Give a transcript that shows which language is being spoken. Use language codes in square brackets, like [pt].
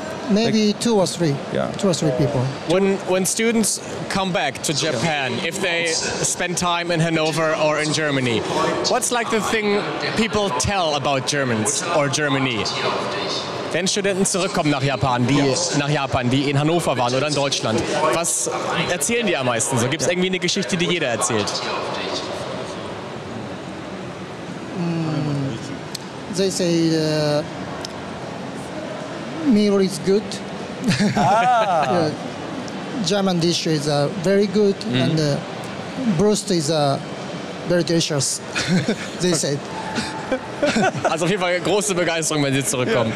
[en] maybe like, two or three. Yeah, two or three people. When students come back to Japan, if they spend time in Hannover or in Germany, what's like the thing people tell about Germans or Germany? [de] Wenn Studenten zurückkommen nach Japan, die in Hannover waren oder in Deutschland, was erzählen die am meisten? So gibt's irgendwie eine Geschichte, die jeder erzählt? [en] They say meal is good. German dish is very good, and Brust is very delicious. They said. [de] Also auf jeden Fall große Begeisterung, wenn sie zurückkommen.